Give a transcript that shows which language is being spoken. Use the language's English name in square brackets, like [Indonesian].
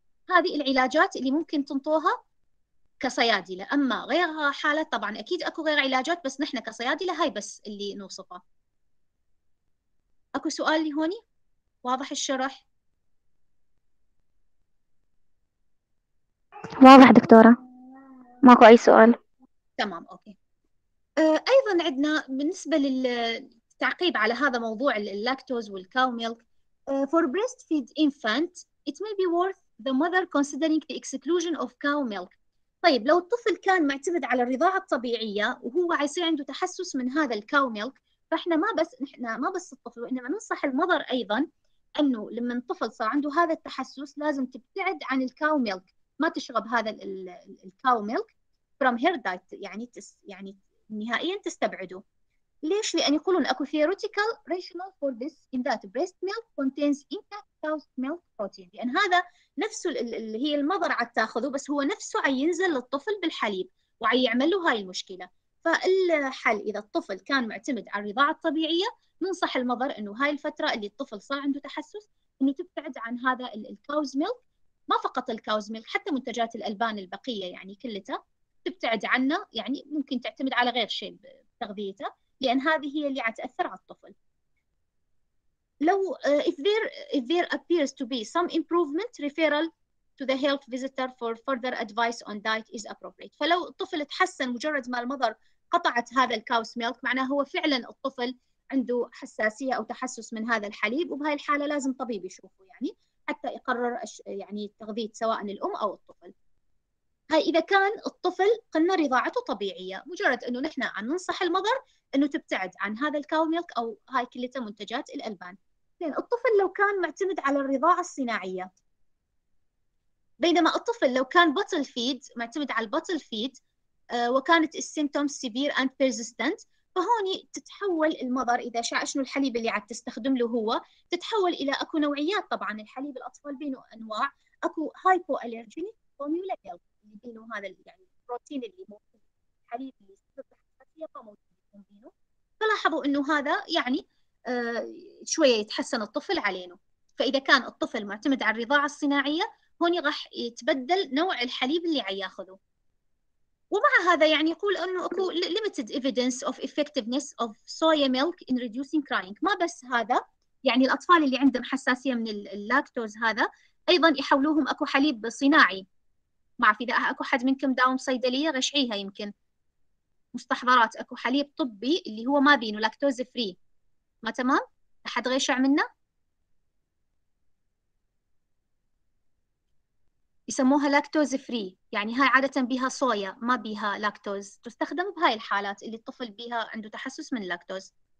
[Arabic] هذه العلاجات اللي ممكن تنطوها كصيادلة، أما غير حالة طبعا أكيد أكو غير علاجات، بس نحن كصيادلة هاي بس اللي نوصفها. أكو سؤال لي هوني؟ واضح الشرح؟ واضح دكتورة، ماكو أي سؤال. تمام أوكي. أيضا عندنا بالنسبة للتعقيب على هذا موضوع اللاكتوز والكاو ميلك، [English] for breastfeed infant it may be worth the mother considering the exclusion of cow milk. [Arabic] طيب لو الطفل كان معتمد على الرضاعة الطبيعية وهو عايصير عنده تحسس من هذا الكاو ميلك، فإحنا ما بس الطفل، وإنما ننصح المضر أيضا أنه لما الطفل صار عنده هذا التحسس لازم تبتعد عن الكاو ميلك، ما تشرب هذا الكاو ميلك [English] from her diet، [Arabic] يعني نهائيا تستبعده. ليش؟ لأن يقولون أكو [English] theoretical rationale for this in that breast milk contains intact cow milk protein، [Arabic] لأن هذا نفسه اللي هي المضر عاد تاخذه، بس هو نفسه عاد ينزل للطفل بالحليب وعاد يعمل له هاي المشكلة. فالحل إذا الطفل كان معتمد على الرضاعة الطبيعية، ننصح المضر إنه هاي الفترة اللي الطفل صار عنده تحسس إنه تبتعد عن هذا الكاوز ميلك، ما فقط الكاوز ميلك، حتى منتجات الألبان البقية يعني كلتها تبتعد عنها، يعني ممكن تعتمد على غير شيء بتغذيتها، لأن هذه هي اللي عتأثر على الطفل. [English] لو if there appears to be some improvement, referral to the health visitor for further advice on diet is appropriate. [Arabic] فلو الطفل تحسن مجرد ما المضر قطعت هذا الكاوس ميلك، معناه هو فعلا الطفل عنده حساسية أو تحسس من هذا الحليب، وبهاي الحالة لازم طبيب يشوفه يعني حتى يقرر يعني تغذية سواء الأم أو الطفل. هاي إذا كان الطفل قلنا رضاعته طبيعية، مجرد أنه نحن عم ننصح المضر أنه تبتعد عن هذا الكاو ميلك أو هاي كلتا منتجات الألبان. لأن الطفل لو كان معتمد على الرضاعة الصناعية، بينما الطفل لو كان بطل فيد معتمد على البطل فيد وكانت السيمتوم سيفير أند بيرزيستنت، فهوني تتحول المضر إذا شاء شنو الحليب اللي عاد تستخدم له هو، تتحول إلى أكو نوعيات طبعاً الحليب الأطفال بينه أنواع، أكو هايبو أليرجينيك فورميولا ميلك اللي بينه هذا يعني البروتين اللي موجود الحليب اللي يسبب الحساسيه فموجود يكون بينه، فلاحظوا انه هذا يعني شويه يتحسن الطفل علينه. فاذا كان الطفل معتمد على الرضاعه الصناعيه، هون راح يتبدل نوع الحليب اللي عياخذه. ومع هذا يعني يقول انه اكو [English] limited evidence of effectiveness of soy milk in reducing crying. [Arabic] ما بس هذا، يعني الاطفال اللي عندهم حساسيه من اللاكتوز هذا ايضا يحولوهم اكو حليب صناعي. ما اعرف اذا اكو حد منكم داوم صيدليه غشعيها، يمكن مستحضرات اكو حليب طبي اللي هو ما بينه لاكتوز فري، ما تمام؟ احد غشع منه؟ يسموها لاكتوز فري، يعني هاي عاده بها صويا ما بها لاكتوز، تستخدم بهاي الحالات اللي الطفل بها عنده تحسس من اللاكتوز.